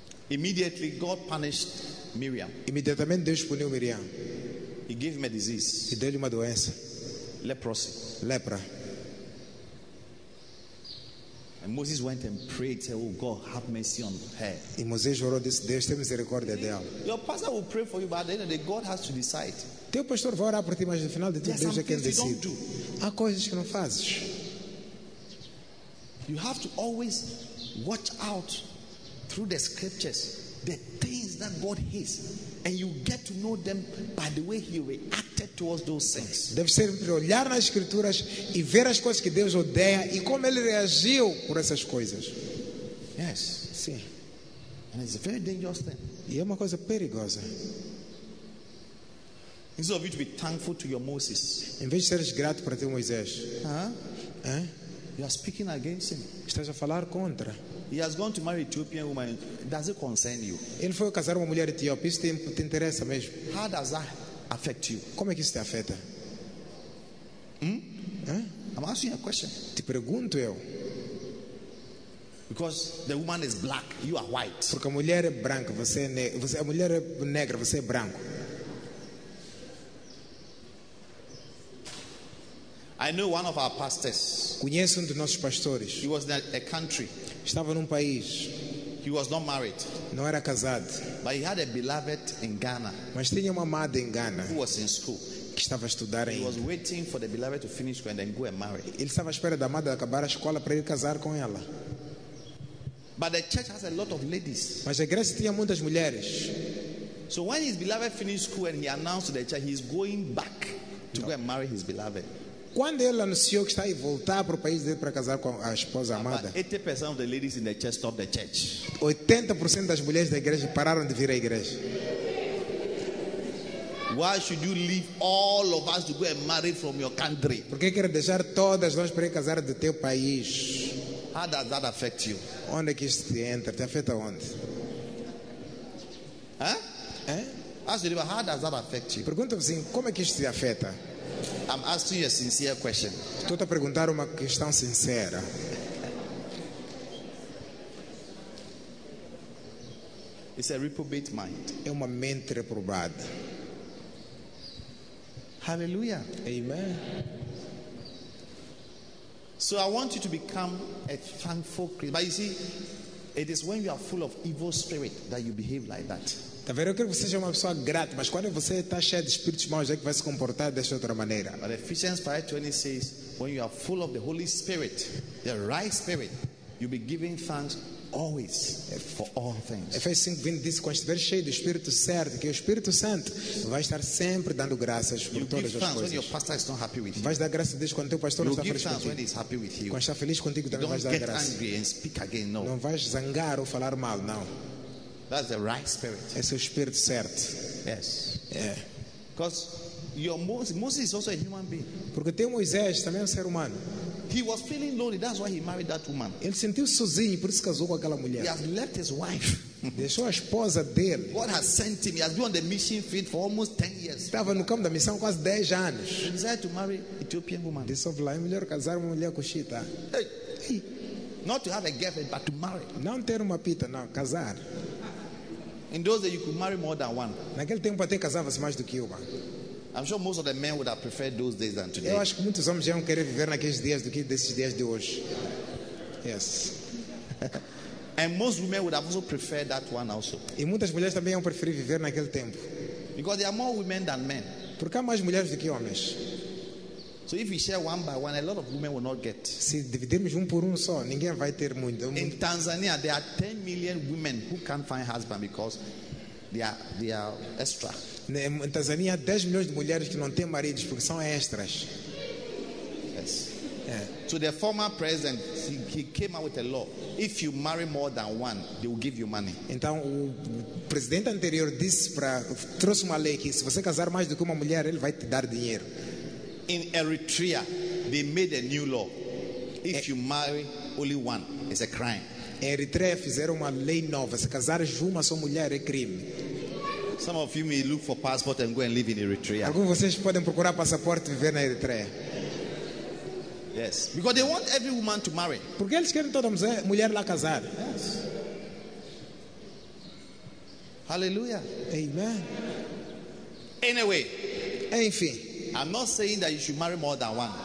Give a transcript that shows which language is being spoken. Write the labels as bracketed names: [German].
[English] Immediately God punished Miriam. [Portuguese] Imediatamente Deus puniu Miriam. [English] He gave him a disease. [Portuguese] E deu-lhe uma doença. [English] Leprosy. [Portuguese] Lepra. [English] And Moses went and prayed, said, oh God, have mercy on her. [Portuguese] E Moisés orou, disse, Deus tem misericórdia dela. [English] Your pastor will pray for you, but at the end of the day, God has to decide. [Portuguese] Teu pastor vai orar por ti, mas no final de tudo, Deus é quem decide. Há coisas que não fazes. [English] You have to always watch out through the scriptures, the things that God hates, and you get to know them by the way he reacted towards those things. [Portuguese] Deve sempre olhar nas escrituras e ver as coisas que Deus odeia e como ele reagiu por essas coisas. [English] Yes. [Portuguese] Sim. [English] And it's a very dangerous thing. [Portuguese] E é uma coisa perigosa. [English] Instead of you to be thankful to your Moses. [Portuguese] Em vez de seres grato para teu Moisés. [English] You are speaking against him. [Portuguese] Estás a falar contra. [English] He has gone to marry an Ethiopian woman. Does it concern you? [Portuguese] Ele foi casar uma mulher etíope. Isso te interessa mesmo? [English] How does that affect you? [Portuguese] Como é que isso te afeta? [English] I'm asking you a question. [Portuguese] Te pergunto eu. [English] Because the woman is black, you are white. [Portuguese] Porque a mulher é branca, você é negro. Você, a mulher é negra, você é branco. [English] I know one of our pastors. [Portuguese] Conheço um dos nossos pastores. [English] He was in a country. [Portuguese] Estava num país. [English] He was not married. [Portuguese] Não era casado. [English] But he had a beloved in Ghana. [Portuguese] Mas tinha uma amada em Ghana. [English] Who was in school. [Portuguese] Que estava a estudar ainda. [English] He was waiting for the beloved to finish school and then go and marry. [Portuguese] Ele estava à espera da amada acabar a escola para ir casar com ela. [English] But the church has a lot of ladies. [Portuguese] Mas a igreja tinha muitas mulheres. [English] So when his beloved finished school and he announced to the church he's going back to go and marry his beloved. [Portuguese] Quando ele anunciou que está a voltar para o país dele para casar com a esposa amada. [English] 80% of the ladies in the church stopped the church. [Portuguese] 80% das mulheres da igreja pararam de vir à igreja. [English] Why should you leave all of us to go and marry from your country? [Portuguese] Por que quer deixar todas nós para ir casar do teu país? [English] How does that affect you? [Portuguese] Onde é que isso te entra? Te afeta onde? [English] How does that affect you? [Portuguese] Pergunta assim, como é que isso te afeta? [English] I'm asking you a sincere question. [Portuguese] Estou a perguntar uma questão sincera. [English] It's a reprobate mind. [Portuguese] É uma mente reprobada. [English] Hallelujah. Amen. So I want you to become a thankful Christian. But you see, it is when you are full of evil spirit that you behave like that. [Portuguese] Tá vendo? Eu quero que você seja uma pessoa grata, mas quando você está cheio de espíritos maus, é que vai se comportar dessa outra maneira. [English] But Ephesians 5:20 says, when you are full of the Holy Spirit, the right spirit, you'll be giving thanks always for all things. [Portuguese] Efésios 5:20 diz, quando estiver cheio do Espírito Santo, que o Espírito Santo vai estar sempre dando graças por [English] you [Portuguese] todas as coisas. [English] When your pastor is not happy with you. [Portuguese] Vai dar graças a Deus quando teu pastor [English] you [Portuguese] não está feliz contigo. [English] When he's happy with you. [Portuguese] Quando está feliz contigo, também vai dar graças. [English] Angry and speak again, no. [Portuguese] Não vais zangar ou falar mal, não. [English] That's the right spirit. [Portuguese] Esse é o espírito certo. [English] Yes. Yeah. Because your Moses is also a human being. [Portuguese] Porque teu Moisés também é um ser humano. [English] He was feeling lonely. That's why he married that woman. [Portuguese] Ele sentiu sozinho, por isso casou com aquela mulher. [English] He has left his wife. [Portuguese] Deixou a esposa dele. [English] God has sent him. He has been on the mission field for almost 10 years. [Portuguese] Estava no campo da missão quase 10 anos. [English] He decided to marry Ethiopian woman. [Portuguese] Disse lá, é melhor casar uma mulher coxita. Hey. [English] Not to have a girlfriend, but to marry. [Portuguese] Não ter uma pita, não casar. [English] In those days, you could marry more than one. [Portuguese] Naquele tempo até casava-se mais do que uma. [English] I'm sure most of the men would have preferred those days than today. [Portuguese] Eu acho que muitos homens iam querer viver naqueles dias do que desses dias de hoje. [English] Yes. And most women would have also preferred that one also. [Portuguese] E muitas mulheres também iam preferir viver naquele tempo. [English] Because there are more women than men. [Portuguese] Porque há mais mulheres do que homens. [English] So if we share one by one, a lot of women will not get. [Portuguese] Se dividirmos por só, ninguém vai ter muito. [English] In Tanzania, there are 10 million women who can't find husband because they are extra. [Portuguese] Em Tanzania há 10 milhões de mulheres que não têm maridos porque são extras. [English] Yes. Yeah. So the former president, he came out with a law. If you marry more than one, they will give you money. [Portuguese] Então o presidente anterior disse trouxe uma lei que se você casar mais do que uma mulher, ele vai te dar dinheiro. [English] In Eritrea, they made a new law. If you marry only one, it's a crime. [Portuguese] Em Eritreia fizeram uma lei nova. Se casares uma só mulher é crime. [English] Some of you may look for passport and go and live in Eritrea. [Portuguese] Alguns de vocês podem procurar passaporte e viver na Eritreia. [English] Yes, because they want every woman to marry. [Portuguese] Porque eles querem toda mulher lá casada. [English] Yes. Hallelujah. Amen. Anyway. [Portuguese] Enfim. [English] I'm not saying that you should marry more than one.